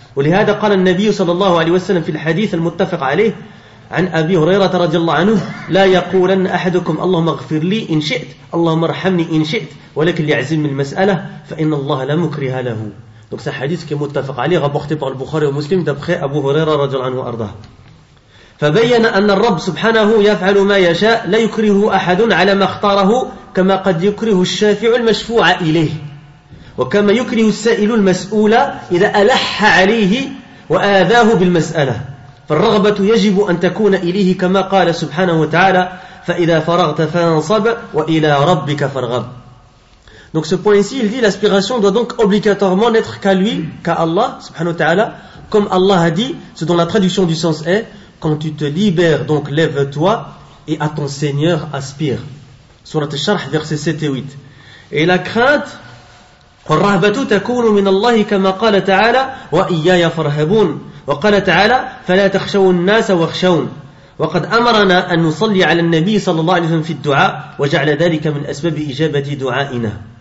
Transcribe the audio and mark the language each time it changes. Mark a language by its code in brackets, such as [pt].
[ar] ولهذا قال النبي صلى الله عليه وسلم في الحديث المتفق عليه عن أبي هريرة رضي الله عنه لا يقولن أحدكم اللهم اغفر لي إن شئت اللهم ارحمني إن شئت ولكن ليعزم المسألة فإن الله لا مكره له. [fr] Donc c'est un hadith qui est متفق عليه rapporté par le Bukhari et Muslim d'après Abu Huraira [ar] رضي الله عنه وأرضاه. فبين أن الرب سبحانه يفعل ما يشاء لا يكره أحد على ما اختاره كما قد يكره الشافع المشفوع إليه وكما يكره السائل المسؤول إذا ألح عليه وآذاه بالمسألة فالرغبة يجب أن تكون إليه كما قال سبحانه وتعالى فإذا فرغت فانصب وإلى ربك فارغب. [fr] Donc ce point ici, il dit l'aspiration doit donc obligatoirement n'être qu'à lui, qu'à Allah subhanahu wa ta'ala, comme Allah a dit, c'est dans la traduction du sens est, quand tu te libères, donc lève-toi et à ton Seigneur aspire. Surat al-Sharh verset 7 et 8. Et la crainte, [ar] والرهبة تكون من الله كما قال تعالى وإياي فارهبون وقال تعالى فلا تخشوا الناس واخشون وقد أمرنا أن نصلي على النبي صلى الله عليه وسلم في الدعاء وجعل ذلك من أسباب إجابة دعائنا.